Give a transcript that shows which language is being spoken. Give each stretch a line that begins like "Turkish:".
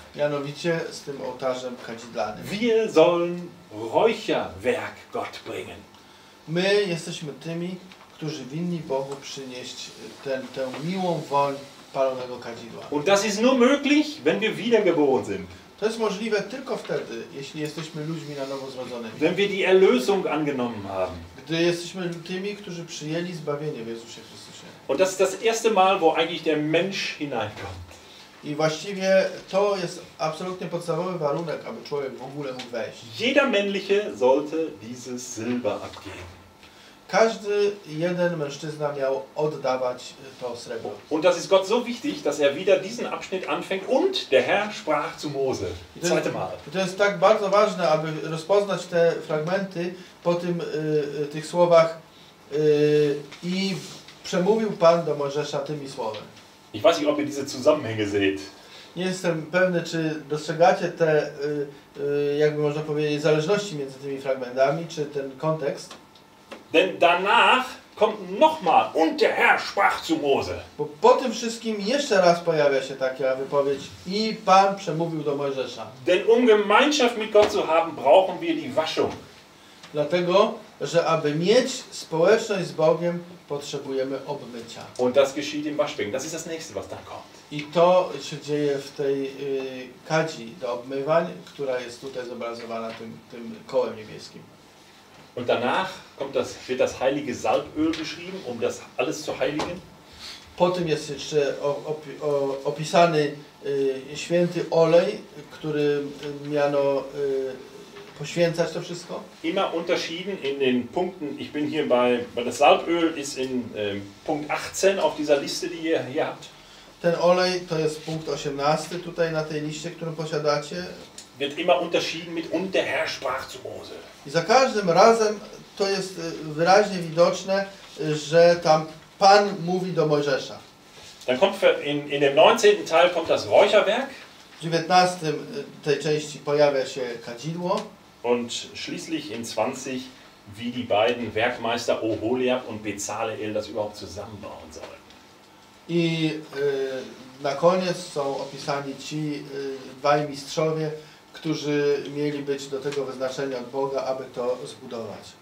Polish: Mianowicie z tym ołtarzem kadzidlanym.
German: Wir sollen Räucherwerk Gott bringen.
Polish: My jesteśmy tymi, którzy winni Bogu przynieść tę miłą woń palonego kadzidła.
German: Und das ist nur möglich, wenn wir wiedergeboren sind.
Polish: To jest możliwe tylko wtedy, jeśli jesteśmy ludźmi na nowo zrodzonymi.
German: Wenn wir die Erlösung angenommen haben.
Polish: Gdy jesteśmy tymi, którzy przyjęli zbawienie w Jezusie Chrystusie.
German: Und das ist das erste Mal, wo eigentlich der Mensch hineinkommt.
Polish: I właściwie to jest absolutnie podstawowy warunek, aby człowiek w ogóle mógł wejść.
German: Jeder männliche sollte dieses Silber abgeben.
Polish: Każdy jeden mężczyzna miał oddawać to srebro.
German: Und das ist Gott so wichtig, dass er wieder diesen Abschnitt anfängt und der Herr sprach zu Mose. Zweite Mal.
Polish: To jest tak bardzo ważne, aby rozpoznać te fragmenty po tym tych słowach i przemówił Pan do Mojżesza tymi słowy.
German: Ich weiß nicht, ob ihr diese Zusammenhänge seht.
Polish: Nie jestem pewny, czy dostrzegacie te, jakby można powiedzieć, zależności między tymi fragmentami, czy ten kontekst.
German: Denn danach kommt nochmal und der Herr sprach zu Mose.
Polish: Bo po tym wszystkim jeszcze raz pojawia się taka wypowiedź i Pan przemówił do Mojżesza.
German: Denn um Gemeinschaft mit Gott zu haben, brauchen wir die Waschung.
Polish: Dlatego, że aby mieć społeczność z Bogiem, potrzebujemy obmycia.
German: Und das geschieht im Waschbecken. Das ist das nächste, was dann kommt.
Polish: I to się dzieje w tej kadzi do obmywań, która jest tutaj zobrazowana tym kołem niebieskim.
German: Und danach kommt das, wird das heilige Salböl geschrieben, um das alles zu heiligen.
Polish: Po tym jest jeszcze opisany święty olej, który miano poświęcać to wszystko.
German: Immer unterschieden in den Punkten. Ich bin hier bei das Salböl ist in Punkt 18 auf dieser Liste, die ihr hier habt.
Polish: Ten olej to jest punkt 18 tutaj na tej liście, którą posiadacie.
German: Wird immer unterschieden mit und der Herr sprach zu Mose.
Polish: I za każdym razem to jest wyraźnie widoczne, że tam Pan mówi do Mojżesza.
German: Dann kommt in dem 19. Teil kommt das Räucherwerk.
Polish: W 19. tej części pojawia się kadzidło.
German: Und schließlich in 20, wie die beiden Werkmeister Oholiab und Bezaleel das überhaupt zusammenbauen sollen.
Polish: I na koniec są opisani ci dwaj mistrzowie, którzy mieli być do tego wyznaczeni od Boga, aby to zbudować.